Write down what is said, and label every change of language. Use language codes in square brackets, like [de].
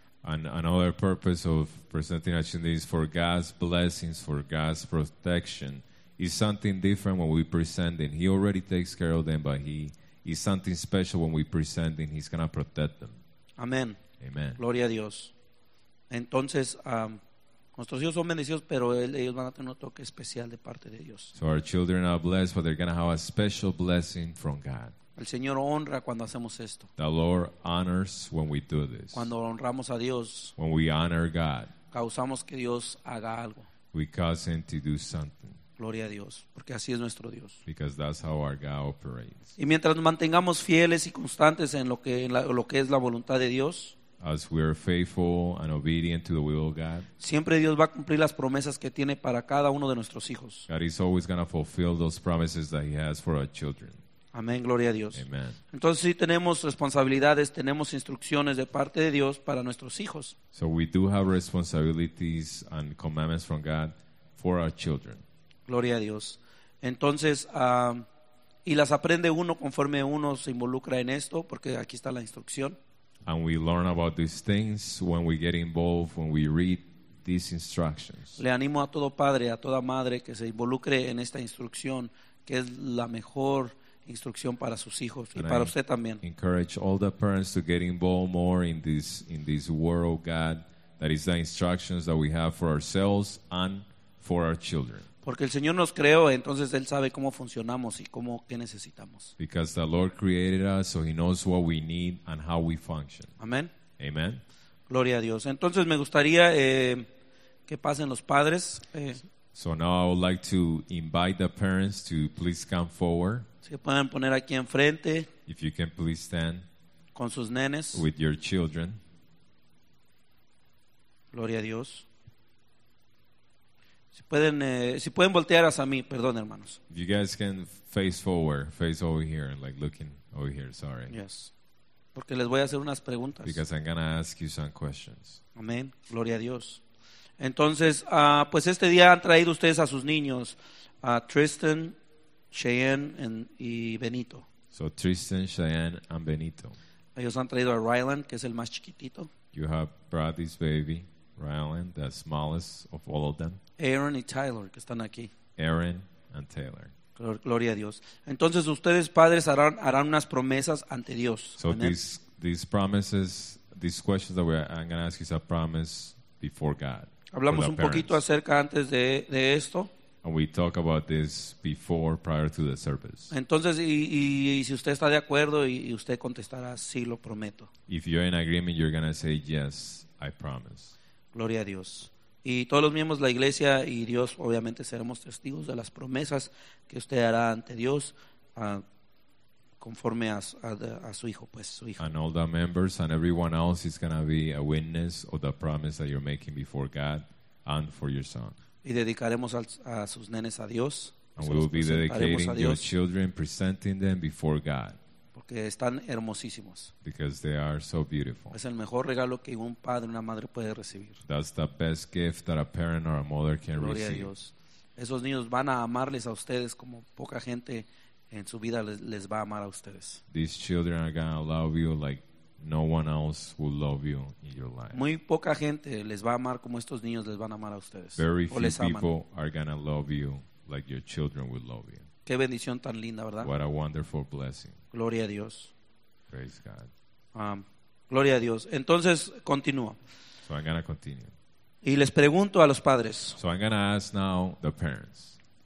[en] And another purpose of presenting our children is for God's blessings, for God's protection. It's something different when we present them. He already takes care of them, but He is something special when we present them. He's going to protect them. [es] Amén. [en] Amen. [es] Gloria a Dios. Entonces, nuestros hijos son bendecidos, pero ellos van a tener un toque especial de parte de Dios. [en] So our children are blessed, but they're going to have a special blessing from God. [es] El Señor honra cuando hacemos esto. [en] The Lord honors when we do this. [es] Cuando honramos a Dios, [en] when we honor God, [es] causamos que Dios haga algo. [en] We cause Him to do something. [es] Gloria a Dios, porque así es nuestro Dios. [en] Because that's how our God operates. [es] Y mientras nos mantengamos fieles y constantes en lo que es la voluntad de Dios, [en] as we are faithful and obedient to the will of God, [es] siempre Dios va a cumplir las promesas que tiene para cada uno de nuestros hijos. [en] God is always going to fulfill those promises that He has for our children. [es] Amén, gloria a Dios. [en] Amen. [es] Entonces sí tenemos responsabilidades, tenemos instrucciones de parte de Dios para nuestros hijos. [en] So we do have responsibilities and commandments from God for our children. [es] Gloria a Dios. Entonces, y las aprende uno conforme uno se involucra en esto, porque aquí está la instrucción. [en] And we learn about these things when we get involved, when we read these instructions. [es] Le animo a todo padre, a toda madre que se involucre en esta instrucción, que es la mejor instrucción para sus hijos y para usted también. [en] Encourage all the parents to get involved more in this word of God, that is the instructions that we have for ourselves and for our children. [es] Porque el Señor nos creó, entonces Él sabe cómo funcionamos y cómo qué necesitamos. [en] Because the Lord created us, so He knows what we need and how we function. [es] Amén. [en] Amen. [es] Gloria a Dios. Entonces me gustaría que pasen los padres. [en] So now I would like to invite the parents to please come forward. [es] Si pueden poner aquí enfrente. [en] If you can please stand. [es] Con sus nenes. [en] With your children. [es] Gloria a Dios. Si pueden voltear hacia mí, perdón, hermanos. [en] You guys can face forward, face over here, like looking over here, sorry. [es] Yes. Porque les voy a hacer unas preguntas. [en] Because I'm going to ask you some questions. [es] Amén. Gloria a Dios. Entonces, pues este día han traído ustedes a sus niños, a Tristan, Cheyenne y Benito. [en] So Tristan, Cheyenne and Benito. [es] Ellos han traído a Ryland, que es el más chiquitito. [en] You have brought this baby, Ryland, the smallest of all of them. [es] Aaron y Tyler, que están aquí. [en] Aaron and Taylor. [es] Gloria a Dios. Entonces ustedes padres harán unas promesas ante Dios. [en] So these promises, these questions that I'm going to ask is a promise before God. [es] Hablamos un poquito acerca antes de esto. [en] And we talk about this before, prior to the service. [es] Entonces, y si usted está de acuerdo y usted contestará, sí, lo prometo. [en] If you're in agreement, you're going to say, yes, I promise. [es] Gloria a Dios. Y todos los miembros de la iglesia y Dios, obviamente, seremos testigos de las promesas que usted hará ante Dios conforme a su hijo, pues su hijo. [en] And all the members and everyone else is going to be a witness of the promise that you're making before God and for your son. [es] Y dedicaremos a sus nenes a Dios. [en] And we will be dedicating your children, presenting them before God. [es] Porque están hermosísimos. [en] Because they are so beautiful. [es] Es el mejor regalo que un padre o una madre puede recibir. [en] That's the best gift that a parent or a mother can [es] Gloria [en] receive. [es] A Dios. Esos niños van a amarles a ustedes como poca gente en su vida les va a amar a ustedes. [en] These children are going to love you like no one else will love you in your life. [es] Muy poca gente les va a amar como estos niños les van a amar a ustedes. [en] Very few people are going to love you like your children will love you. [es] Qué bendición tan linda, ¿verdad? [en] What a wonderful blessing. [es] Gloria a Dios. [en] Praise God. [es] Gloria a Dios. Entonces, continúo. [en] So I'm going to continue. [es] Y les pregunto a los padres. [en] So I'm going to ask now the parents.